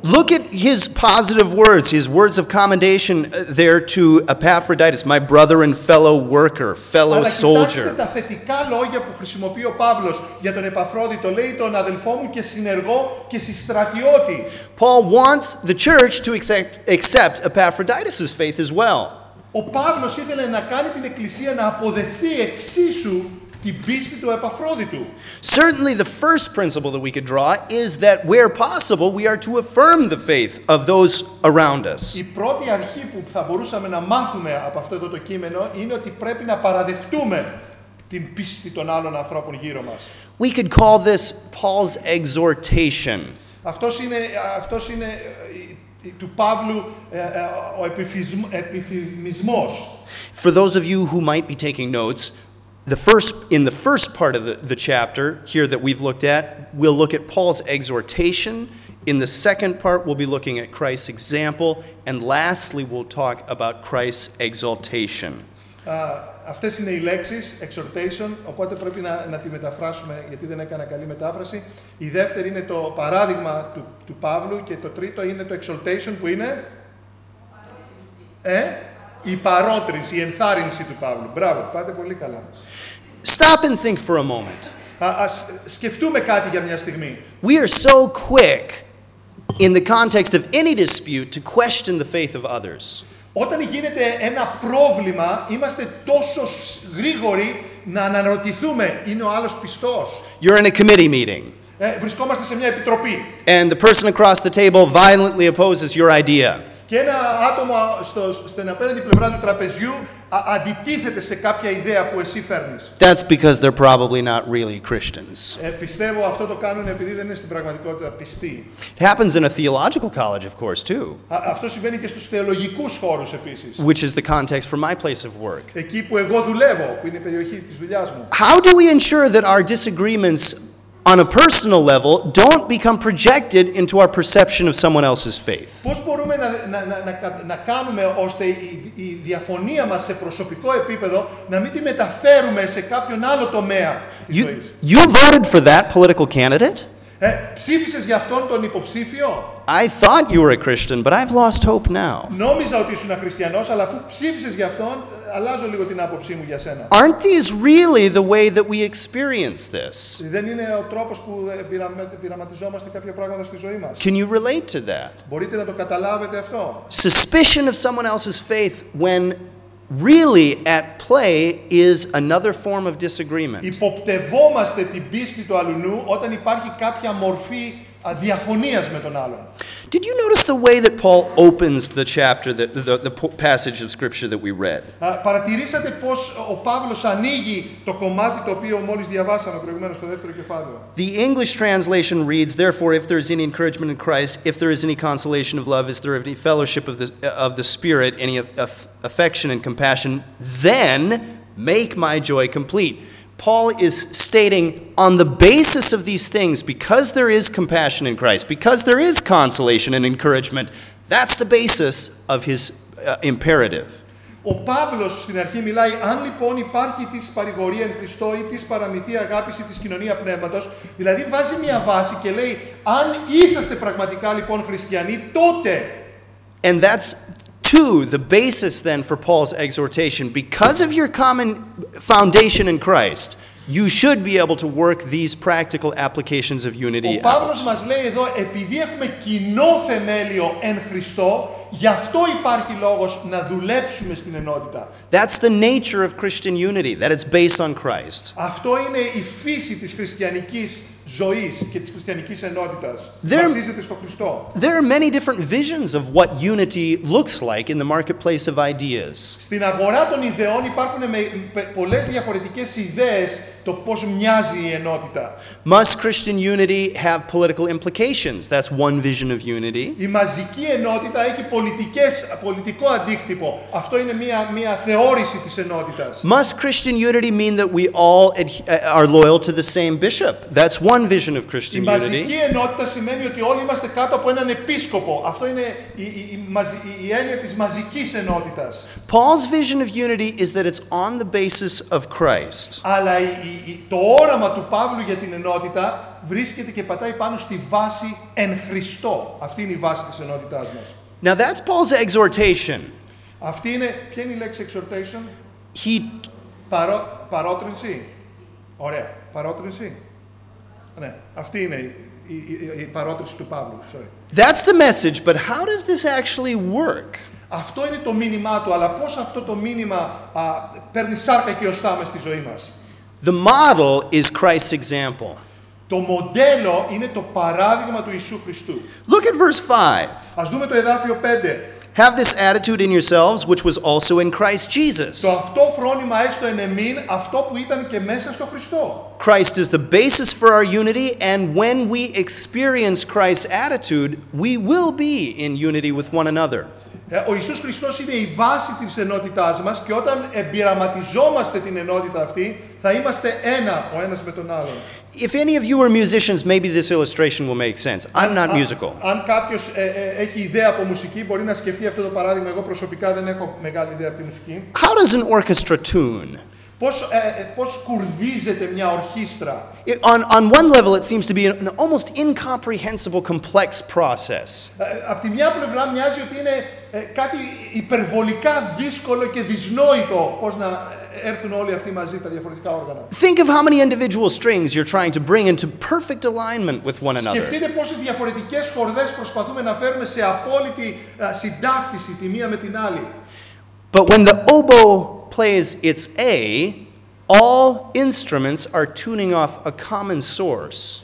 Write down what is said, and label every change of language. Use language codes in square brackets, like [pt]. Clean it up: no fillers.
[en] Look at his positive words, his words of commendation there to Epaphroditus, my brother and fellow worker, fellow soldier. [el] Αλλά κοιτάξτε τα θετικά λόγια που χρησιμοποιεί ο Παύλος για τον Επαφρόδητο, λέει τον αδελφό μου και συνεργό και συστρατιώτη. [en] Paul wants the church to accept Epaphroditus's faith as well. [el] Ο Παύλος ήθελε να κάνει την εκκλησία να αποδεχθεί εξίσου την πίστη του Επαφρόδητου. [en] Certainly the first principle that we could draw is that where possible we are to affirm the faith of those around us. [el] Η πρώτη αρχή που θα μπορούσαμε να μάθουμε από αυτό εδώ το κείμενο είναι ότι πρέπει να παραδεχτούμε την πίστη των άλλων ανθρώπων γύρω μας. [en] We could call this Paul's exhortation. [el] Αυτός είναι του Παύλου ο επιφημισμός. [en] For those of you who might be taking notes, in the first part of the chapter here that we've looked at, we'll look at Paul's exhortation. In the second part, we'll be looking at Christ's example, and lastly, we'll talk about Christ's exaltation. [el] Αυτές είναι οι λέξεις, exhortation, οπότε πρέπει να τη μεταφράσουμε γιατί δεν έκανα καλή μετάφραση. Η δεύτερη είναι το παράδειγμα του Παύλου και το τρίτο είναι το exaltation που είναι η παρότρινση, η ενθάρρυνση του Παύλου. Μπράβο, πάτε πολύ καλά. [en] Stop and think for a moment. [el] Ας σκεφτούμε κάτι για μια στιγμή. [en] We are so quick in the context of any dispute to question the faith of others. [el] Όταν γίνεται ένα πρόβλημα, είμαστε τόσο γρήγοροι να αναρωτηθούμε, είναι ο άλλος πιστός? [en] You're in a committee meeting. [el] Βρισκόμαστε σε μια επιτροπή. [en] And the person across the table violently opposes your idea. [el] Και ένα άτομο στην απέναντι πλευρά του τραπεζιού αντιτίθεται σε κάποια ιδέα που εσύ φέρνεις. [en] That's because they're probably not really Christians. [el] Πιστεύω αυτό το κάνουν επειδή δεν είναι στην πραγματικότητα πιστοί. [en] It happens in a theological college, of course, too. [el] Αυτό συμβαίνει και στους θεολογικούς χώρους επίσης. [en] Which is the context for my place of work. [el] Εκεί που εγώ δουλεύω, που είναι η περιοχή της δουλειάς μου. [en] How do we ensure that our disagreements on a personal level don't become projected into our perception of someone else's faith? [el] Πώς μπορούμε να κάνουμε ώστε η διαφωνία μας σε προσωπικό επίπεδο να μην τη μεταφέρουμε σε κάποιον άλλο τομέα της ζωής? [en] You voted for that political candidate? [el] Ψήφισες για αυτόν τον υποψήφιο? [en] I thought you were a Christian, but I've lost hope now. [el] Νόμιζα ότι ήσουν χριστιανός, αλλά αφού ψήφισες για αυτόν, αλλάζω λίγο την άποψή μου για σένα. [en] Aren't these really the way that we experience this? [el] Δεν είναι ο τρόπος που πειραματιζόμαστε κάποια πράγματα στη ζωή μας? [en] Can you relate to that? [el] Μπορείτε να το καταλάβετε αυτό? [en] Suspicion of someone else's faith when really at play is another form of disagreement. [el] Υποπτευόμαστε την πίστη του αλουνού όταν υπάρχει κάποια μορφή διαφωνίας με τον άλλον. [en] Did you notice the way that Paul opens the chapter, the passage of scripture that we read? [el] Παρατηρήσατε πως ο Παύλος ανοίγει το κομμάτι το οποίο μόλις διαβάσαμε προηγουμένως στο δεύτερο κεφάλαιο. [en] The English translation reads, therefore, if there is any encouragement in Christ, if there is any consolation of love, is there any fellowship of the Spirit, any affection and compassion, then make my joy complete. Paul is stating, on the basis of these things, because there is compassion in Christ, because there is consolation and encouragement, that's the basis of his imperative. [el] Ο Παύλος στην αρχή μιλάει, αν λοιπόν υπάρχει της παρηγορία εν Χριστώ ή της παραμυθία αγάπης ή της κοινωνία πνεύματος, δηλαδή βάζει μια βάση και λέει, αν είσαστε πραγματικά λοιπόν χριστιανοί, τότε. [en] And that's two, the basis then for Paul's exhortation, because of your common foundation in Christ, you should be able to work these practical applications of unity out. [el] Ο Παύλος μας λέει εδώ, επειδή έχουμε κοινό θεμέλιο εν Χριστώ, γι' αυτό υπάρχει λόγος να δουλέψουμε στην ενότητα. [en] That's the nature of Christian unity, that it's based on Christ. [el] Αυτό είναι η φύση της χριστιανικής ζωής και της χριστιανικής ενότητας. Βασίζεται στο Χριστό. [en] There are many different visions of what unity looks like in the marketplace of ideas. [el] Στην αγορά των ιδεών υπάρχουν πολλές διαφορετικές ιδέες το πώς μοιάζει η ενότητα. [en] Must Christian unity have political implications? That's one vision of unity. [el] Η μαζική ενότητα έχει πολιτικό αντίκτυπο. Αυτό είναι μια θεώρηση της ενότητας. [en] Must Christian unity mean that we all are loyal to the same bishop? That's one vision of Christian unity. [el] Η μαζική ενότητα σημαίνει ότι όλοι είμαστε κάτω από έναν επίσκοπο. Αυτό είναι η έννοια της μαζικής ενότητας. [en] Paul's vision of unity is that it's on the basis of Christ. [el] Αλλά το όραμα του Παύλου για την ενότητα βρίσκεται και πατάει πάνω στη βάση εν Χριστώ. Αυτή είναι η βάση της ενότητάς μας. [en] Now that's Paul's exhortation. [el] Αυτή είναι, ποια είναι η λέξη exhortation? [en] He [el] παρότρινση. Ωραία, παρότρινση. Ναι, αυτή είναι η παρότρινση του Παύλου. [en] Sorry. That's the message, but how does this actually work? [el] Αυτό είναι το μήνυμά του, αλλά πώς αυτό το μήνυμα παίρνει σάρκα και οστά μες στη ζωή μας. [en] The model is Christ's example. [el] Το μοντέλο είναι το παράδειγμα του Ιησού Χριστού. [en] Look at verse 5. [el] Ας δούμε το εδάφιο 5. [en] Have this attitude in yourselves, which was also in Christ Jesus. [el] Το αυτό φρόνημα έστω εν εμήν, αυτό που ήταν και μέσα στο Χριστό. [en] Christ is the basis for our unity, and when we experience Christ's attitude, we will be in unity with one another. [el] Ο Ιησούς Χριστός είναι η βάση της ενότητάς μας και όταν εμπειραματιζόμαστε την ενότητα αυτή, θα είμαστε ένα ο ένας με τον άλλον. [en] If any of you are musicians, maybe this illustration will make sense. I'm not musical. [el] Αν κάποιος έχει ιδέα από μουσική, μπορεί να σκεφτεί αυτό το παράδειγμα. Εγώ προσωπικά δεν έχω μεγάλη ιδέα από τη μουσική. [en] How does an orchestra tune? [el] Πώς κουρδίζεται μια ορχήστρα? [en] On one level, it seems to be an almost incomprehensible, complex process. [el] Από τη μια πλευρά μοιάζει ότι είναι κάτι υπερβολικά δύσκολο και δυσνόητο πώς να έρθουν όλοι αυτοί μαζί τα διαφορετικά όργανα. [en] Think of how many individual strings you're trying to bring into perfect alignment with one another. [el] Σκεφτείτε πόσες διαφορετικές χορδές προσπαθούμε να φέρουμε σε απόλυτη συντάκτηση τη μία με την άλλη. [en] But when the oboe plays its A, all instruments are tuning off a common source.